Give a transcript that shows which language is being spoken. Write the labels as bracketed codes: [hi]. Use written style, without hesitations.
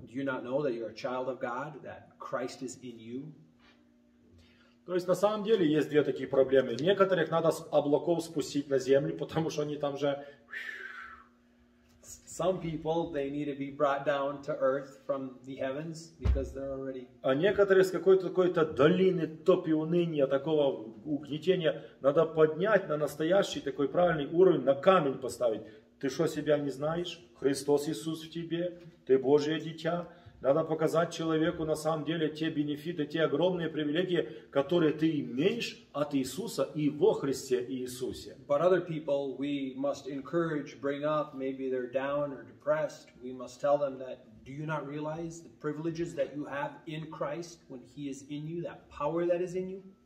[en] Do you not know that you're a child of God, that Christ is in you? [ru] То есть на самом деле есть две такие проблемы. Некоторых надо с облаков спустить на землю, потому что они там же. [en] Some people they need to be brought down to earth from the heavens because they're already. [ru] А некоторые с какой-то долины топи уныния, такого угнетения, надо поднять на настоящий такой правильный уровень, на камень поставить. Ты что себя не знаешь? Христос Иисус в тебе, ты Божье дитя. Надо показать человеку на самом деле те бенефиты, те огромные привилегии, которые ты имеешь от Иисуса и во Христе Иисусе. [en] But other people we must encourage, bring up, maybe they're down or depressed. We must tell them that do you not realize the privileges that you have in Christ when He is in you, that power that is in you?